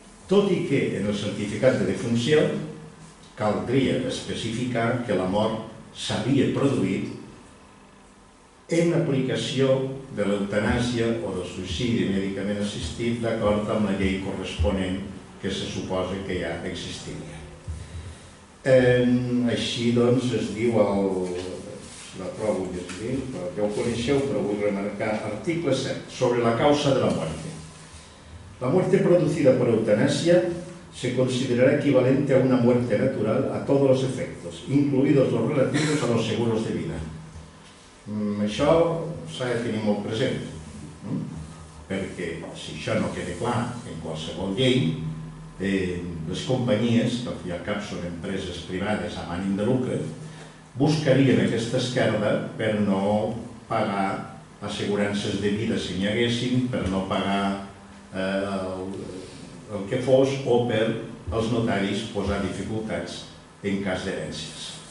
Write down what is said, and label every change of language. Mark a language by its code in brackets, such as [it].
[ca] Tot i que en el certificat de defunció caldria especificar que la mort s'havia produït en aplicació de l'eutanàsia o del suïcidi mèdicament assistit d'acord amb la llei corresponent que se suposa que ja existiria. Així doncs es diu el... La prova ho llegim, perquè ho coneixeu, però vull remarcar. [es] Article 7, sobre la causa de la muerte. La muerte producida por eutanasia se considerará equivalente a una muerte natural a todos los efectos, incluidos los relativos a los seguros de vida. [ca] Això s'ha de tenir molt present, perquè si això no queda clar en qualsevol llei, les companyies, que al fi i al cap són empreses privades amb ànim de lucre, buscarien aquesta esquerda per no pagar assegurances de vida si n'hi haguessin, per no pagar el que fos o per els notaris posar dificultats en cas d'herències.